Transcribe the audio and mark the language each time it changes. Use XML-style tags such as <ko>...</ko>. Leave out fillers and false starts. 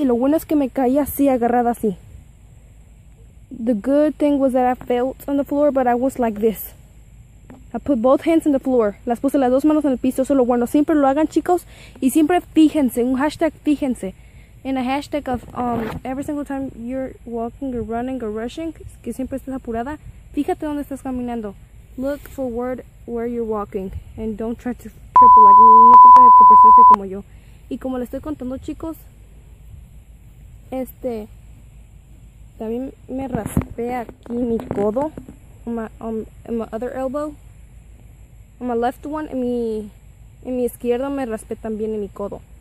<es>Y lo bueno es que me caí así, agarrada así.</es> <en>The good thing was that I felt on the floor, but I was like this. I put both hands on the floor.</en> <es>Las puse las dos manos en el piso. Eso es lo bueno. Siempre lo hagan, chicos. Y siempre fíjense. Un hashtag fíjense.</es> <en>En a hashtag of every single time you're walking or running or rushing,</en> <es>que siempre estás apurada, fíjate dónde estás caminando.</es> <en>Look forward where you're walking and don't try to trip like me.</en> <es>No trate de tropezarse como yo. Y como le estoy contando, chicos, también me raspé aquí mi codo,</es> <en>my other elbow, my left one,</en> <es>en mi izquierda me raspé también en mi codo.</es>